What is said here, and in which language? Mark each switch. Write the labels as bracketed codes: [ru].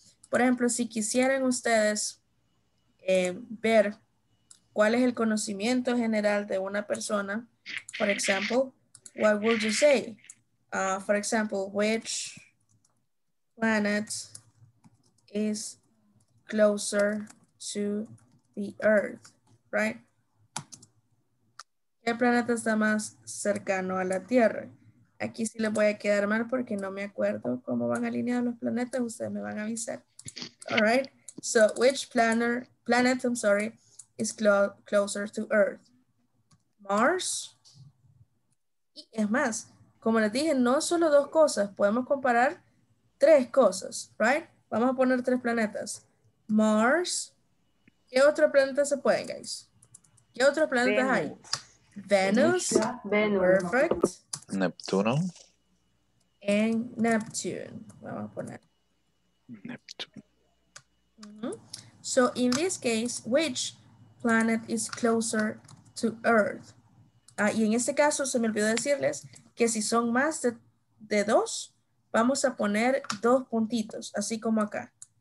[es] Por ejemplo, si quisieran ustedes ver cuál es el conocimiento general de una persona, [en] for example, what would you say? For example, which planet is closer to the Earth, right? [es] ¿Qué planeta está más cercano a la Tierra? Aquí sí les voy a quedar mal porque no me acuerdo cómo van alineados los planetas. Ustedes me van a avisar. [en] All right. So, which planet, I'm sorry, is closer to Earth? Mars. [es] Y es más, como les dije, no solo dos cosas. Podemos comparar tres cosas, [en] right? [es] Vamos a poner tres planetas. Mars. ¿Qué otro planeta se puede, guys? ¿Qué otros planetas Venus. Hay? Venus. [en] Venus. Perfect. [es] Neptuno. En Neptune. Vamos a poner. [en] Neptune. Mm-hmm. So, in this case, which planet is closer to Earth? [es] Y en este caso, se me olvidó decirles que si son más de dos, vamos a poner dos puntitos, así como acá.